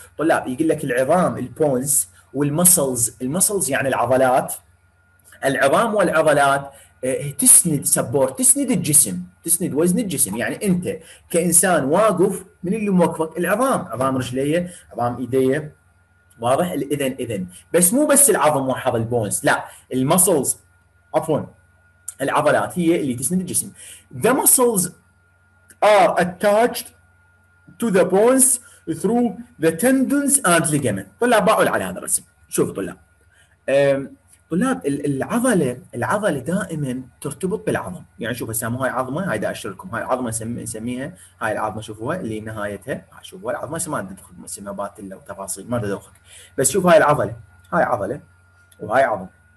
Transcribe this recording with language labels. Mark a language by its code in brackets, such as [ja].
[ar] طلاب يقول لك العظام البونز والمسلز، المسلز يعني العضلات، العظام والعضلات تسند سبورت، تسند الجسم، تسند وزن الجسم. يعني انت كانسان واقف، من اللي موقفك؟ العظام، عظام رجليه، عظام ايديه، واضح؟ الاذن، اذن، بس مو بس العظم وحظ البونز، لا، المسلز عفوا العضلات هي اللي تسند الجسم. [en] The muscles are attached to the bones through the tendons and ligaments. [ar] طلاب باعوا على هذا الرسم، شوف طلاب، طلاب العضلة، العضلة دائما ترتبط بالعظم. يعني شوف هسه هاي عظمة، هاي دا اشير لكم، هاي عظمة نسميها، هاي العظمة شوفوها اللي نهايتها، شوفوا العظمة، ما ادخل اسمها باتيلا وتفاصيل ما ادخل، بس شوف هاي العضلة، هاي عضلة وهاي عظم.